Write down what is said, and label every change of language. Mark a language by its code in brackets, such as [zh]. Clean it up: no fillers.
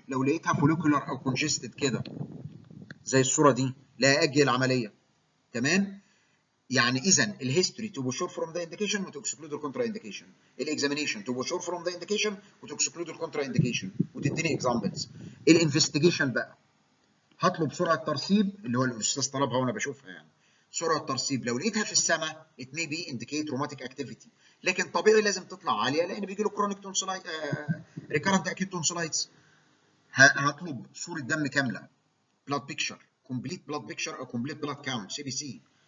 [ar] لو لقيتها follicular أو congested كده زي الصورة دي، لا أجل عملية. تمام؟ يعني إذن [en] ال history to be sure from the indication and to exclude the contraindication. ال examination to be sure from the indication and to exclude the contraindication. [ar] وتديني examples. ال investigation بقى، هطلب سرعة ترسيب اللي هو الأستاذ طلبها وأنا بشوفها يعني. سرعة ترسيب لو لقيتها في السماء [en] it may be indicate rheumatic activity. [ar] لكن طبيعي لازم تطلع عالية لأن بيجي له chronic tonsillitis. [en] Recurrent acute tonsillitis. [ar] هطلب صوره دم كامله، [en] Blood picture, complete blood picture او complete blood count C B C.